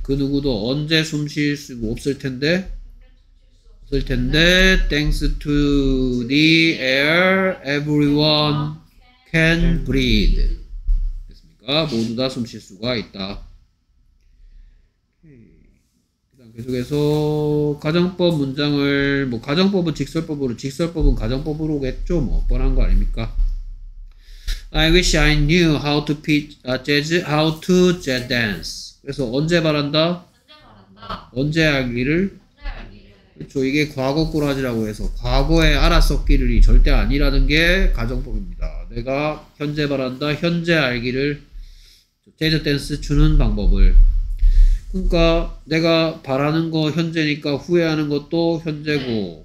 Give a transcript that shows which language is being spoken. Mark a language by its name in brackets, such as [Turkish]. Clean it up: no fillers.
[Korean] 그 누구도 언제 숨 쉴 수 없을 텐데? 없을 텐데 [English] thanks to the air, everyone can breathe. [Korean] 됐습니까? 모두 다 숨 쉴 수가 있다. 계속해서 가정법 문장을 뭐 가정법은 직설법으로 직설법은 가정법으로 오겠죠. 뭐 뻔한 거 아닙니까? [English] I wish I knew how to jazz dance. [Korean] 그래서 언제 바란다? 언제 알기를? 그렇죠. 이게 과거 꾸라지라고 해서 과거에 알았었기를이 절대 아니라는 게 가정법입니다. 내가 현재 바란다. 현재 알기를 재즈 댄스 추는 방법을. 그러니까 내가 바라는 거 현재니까 후회하는 것도 현재고 네.